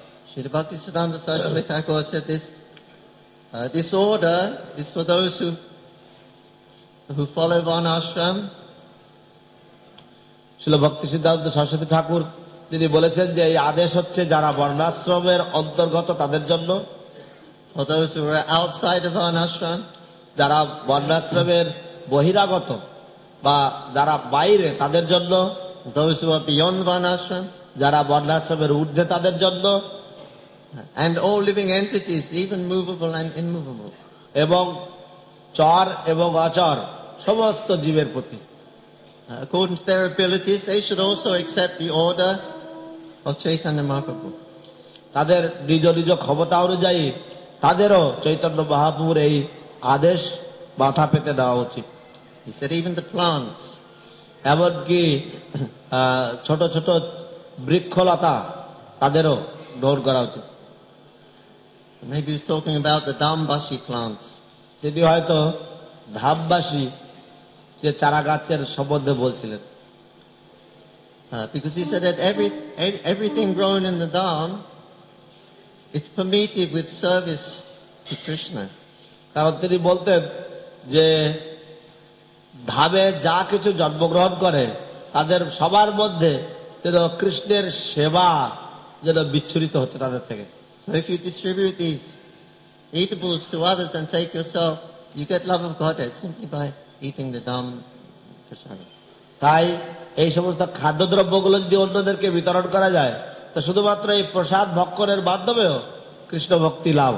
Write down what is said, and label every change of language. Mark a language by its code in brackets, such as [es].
[en] শ্রীভক্তি সিদ্ধান্ত সরস্বতী ঠাকুর say this order is for those who follow von Ashram. [bn] শ্রীভক্তি সিদ্ধান্ত সরস্বতী ঠাকুর তিনি বলেছেন যে এই আদেশ হচ্ছে যারা বর্ণাশ্রমের অন্তর্গত তাদের জন্য। [en] For those who are outside of Varnashram, [bn] যারা বর্ণাশ্রমের বহিরাগত বা যারা বাইরে তাদের জন্য। [en] Those who are beyond Varnashram, [bn] যারা বর্ণাশ্রমের ঊর্ধ্বে তাদের জন্য। [en] And all living entities, even movable and immovable, [bn] এবং চর এবং অচর সমস্ত জীবের প্রতি। [en] According to their abilities, they should also accept the order of Chaitanya Mahaprabhu. [bn] তাদের নিজ নিজ ক্ষমতা অনুযায়ী তাদেরও চৈতন্য মহাপ্রভুর এই আদেশ মাথা পেতে দেওয়া উচিত। [en] He said even the plants, [bn] এমনকি ছোট ছোট বৃক্ষলতা তাদেরও দৌড় করা উচিত। [en] Maybe he's talking about the dambashi plants. [bn] তিনি হয়তো ধামবাসি যে চারা গাছের সম্বন্ধে বলছিলেন। [en] Because he said that everything grown in the dam, it's permitted with service to Krishna. [bn] কারণ তিনি বলতেন যে ধামে যা কিছু জন্মগ্রহণ করে তাদের সবার মধ্যে যেন কৃষ্ণের সেবা যেন বিচ্ছুরিত হচ্ছে তাদের থেকে। [en] So if you distribute these eatables to others and take yourself, you get love of Godhead simply by eating the dham prasad. [bn] তাই এই সমস্ত খাদ্যদ্রব্যগুলো যদি অন্যদেরকে বিতরণ করা যায় তো শুধুমাত্র এই প্রসাদ ভক্ষণের মাধ্যমেও কৃষ্ণ ভক্তি লাভ